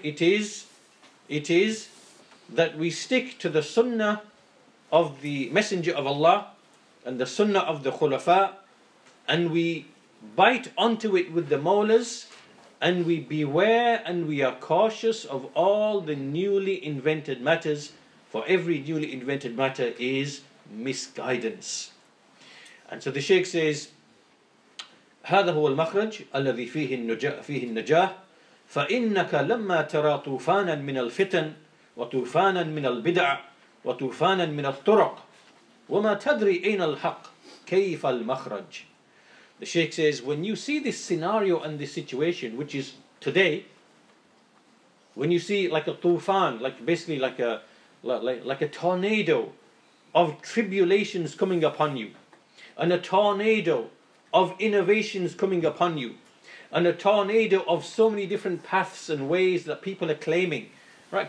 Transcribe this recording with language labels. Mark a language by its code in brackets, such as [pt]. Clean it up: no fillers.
[en] It is that we stick to the sunnah of the Messenger of Allah and the sunnah of the Khulafa, and we bite onto it with the molars, and we beware and we are cautious of all the newly invented matters, for every newly invented matter is misguidance. And so the Shaykh says, [ar] هذا هو المخرج الذي فيه النجاة فإنك لما ترى طوفانا من الفتن وطوفانا من البدع وطوفانا من الطرق وما تدري أين الحق كيف المخرج. [en] The Shaykh says, when you see this scenario and this situation, which is today, when you see like a tufan, like basically like a tornado of tribulations coming upon you, and a tornado of innovations coming upon you, and a tornado of so many different paths and ways that people are claiming, right?